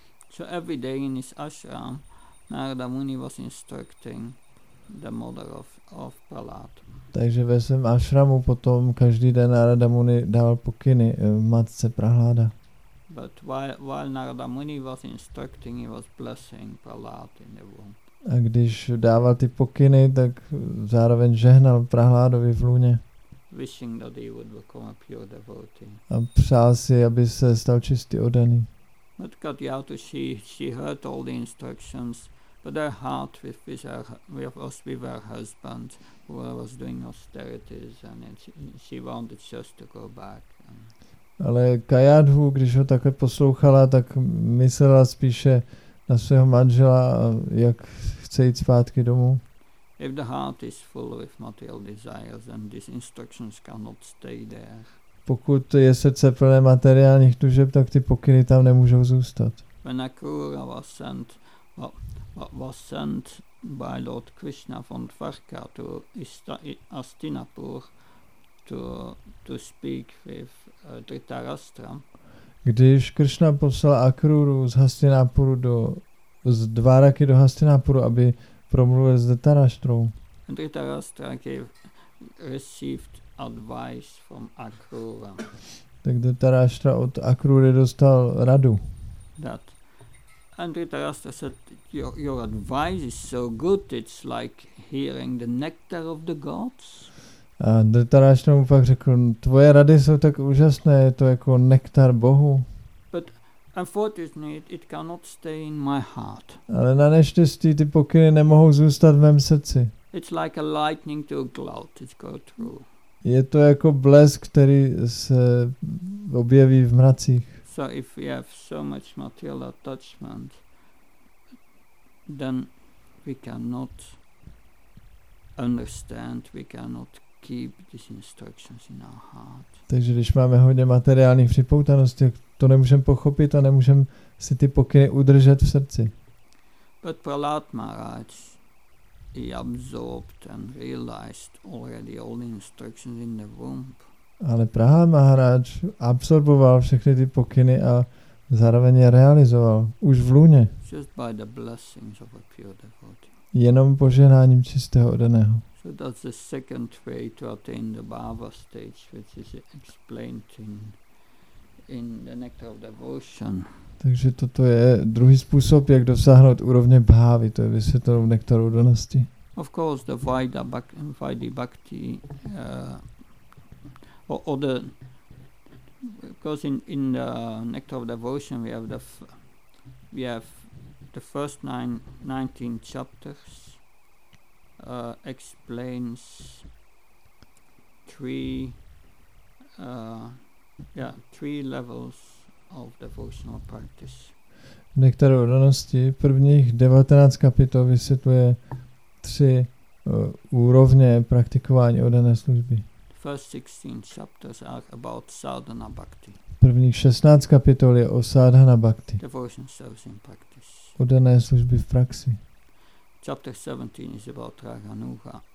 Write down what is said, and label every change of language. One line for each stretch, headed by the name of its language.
English: So every day in his ashram, Narada Muni was instructing the mother of Prahlad.
Czech: Takže ve svém ašramu potom každý den Narada Muni dával pokyny matce Prahláda.
English: But while Narada Muni was instructing, he was blessing Prahlad in the womb.
Czech: A když dával ty pokyny, tak zároveň žehnal Prahládovi v lůně.
English: Wishing that he would become a pure devotee.
Czech: A přál si, aby se stal čistý oddaný.
English: But Katyatu, she heard all the instructions, but her heart with her husband, who was doing austerities, and she wanted just to go back.
Czech: Ale Kajadhu, když ho takhle poslouchala, tak myslela spíše na svého manžela, jak chce jít zpátky domů.
English: If the heart is full with material desires, then these instructions cannot stay there.
Czech: Pokud je srdce plné materiálních tužeb, tak ty pokyny tam nemůžou zůstat.
English: When Akrura was sent by Lord Krishna from Dvarka to Astinapur to speak with Dhritarashtra.
Czech: Když Krishna poslal Akruru z Hastinapuru do Hastinapuru, aby promluvil s Dhritarashtrou.
English: Dhritarashtra received advice from Akrura.
Czech: Tak Dhritarashtra od Akrury dostal radu.
English: That. And Dhritarashtra said, your advice is so good, it's like hearing the nectar of the gods.
Czech: A Dhritarashtra mu pak řekl, tvoje rady jsou tak úžasné, je to jako nektar bohu.
English: But unfortunately, it cannot stay in my heart.
Czech: Ale na neštěstí ty pokyny nemohou zůstat v mém srdci.
English: It's like a lightning to a cloud, it's go through.
Czech: Je to jako blesk, který se objeví v mracích.
English: So if we have so much material attachment, then we cannot understand, we cannot keep these instructions in our heart.
Czech: Takže když máme hodně materiálních připoutaností, to nemůžeme pochopit a nemůžeme si ty pokyny udržet v srdci.
English: But Prahlad Maharaj, he absorbed and realized already all the instructions in the womb.
Czech: Ale Prahlad Maharaj absorboval všechny ty pokyny a zároveň je realizoval už v lůně.
English: Just by the blessings of a pure devotee.
Czech: Jenom požehnáním čistého oddaného.
English: So that's the second way to attain the bhava stage, which is explained in the nectar of devotion.
Czech: Takže toto je druhý způsob, jak dosáhnout úrovně bhávy, to je vysvětleno v nektaru udanosti.
English: Of course, the Vaidhi Bhakti, because in the nectar of devotion we have the first 19 chapters explains three levels of devotional practice.
Czech: V nektaru udanosti prvních 19 kapitol vysvětluje tři úrovně praktikování oddané služby.
English: First 16 chapters are about sadhana bhakti.
Czech: Prvních 16 kapitol je o sadhana bhakti.
English: Devotional service in practice.
Czech: Oddané služby v praxi.
English: Chapter 17 is about raganuga.